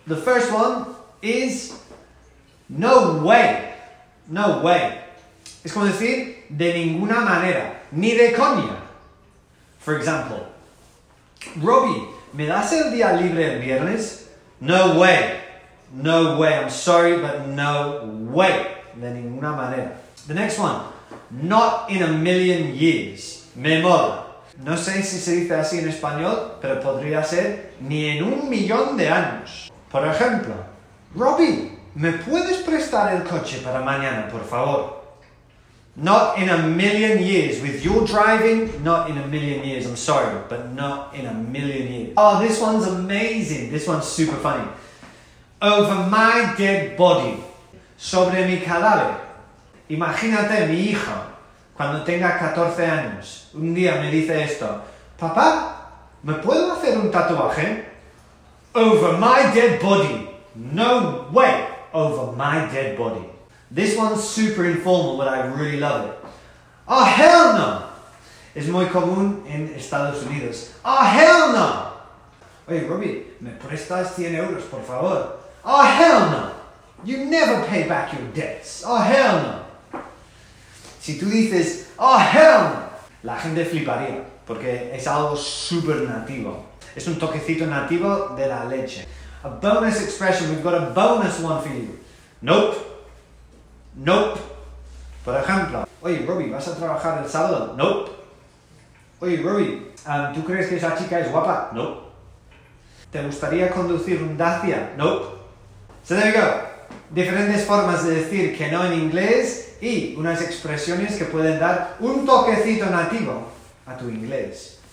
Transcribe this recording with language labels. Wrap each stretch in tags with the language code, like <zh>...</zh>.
<en>The first one is no way. No way.</en> <es>Es como decir de ninguna manera, ni de coña.</es> <en>For example,</en> <es>Robbie, ¿me das el día libre el viernes?</es> <en>No way. No way, I'm sorry, but no way.</en> <es>De ninguna manera.</es> <en>The next one. Not in a million years.</en> <es>Me mola. No sé si se dice así en español, pero podría ser ni en un millón de años. Por ejemplo, Robbie, ¿me puedes prestar el coche para mañana, por favor?</es> <en>Not in a million years. With your driving, not in a million years. I'm sorry, but not in a million years. Oh, this one's amazing. This one's super funny. Over my dead body.</en> <es>Sobre mi cadáver. Imagínate mi hijo cuando tenga 14 años. Un día me dice esto. Papá, ¿me puedo hacer un tatuaje?</es> <en>Over my dead body. No way. Over my dead body. This one's super informal, but I really love it. Oh, hell no.</en> <es>Es muy común en Estados Unidos.</es> <en>Oh, hell no.</en> <es>Oye, Robbie, ¿me prestas 100 euros, por favor?</es> <en>Oh, hell no! You never pay back your debts. Oh, hell no!</en> <es>Si tú dices,</es> <en>oh, hell no!</en> <es>La gente fliparía, porque es algo super nativo. Es un toquecito nativo de la leche.</es> <en>A bonus expression, we've got a bonus one for you. Nope. Nope.</en> <es>Por ejemplo, oye, Robbie, ¿vas a trabajar el sábado? Nope. Oye, Robbie, ¿tú crees que esa chica es guapa? Nope. ¿Te gustaría conducir un Dacia?</es> <en>Nope. So there we go.</en> <es>Diferentes formas de decir que no en inglés y unas expresiones que pueden dar un toquecito nativo a tu inglés.</es>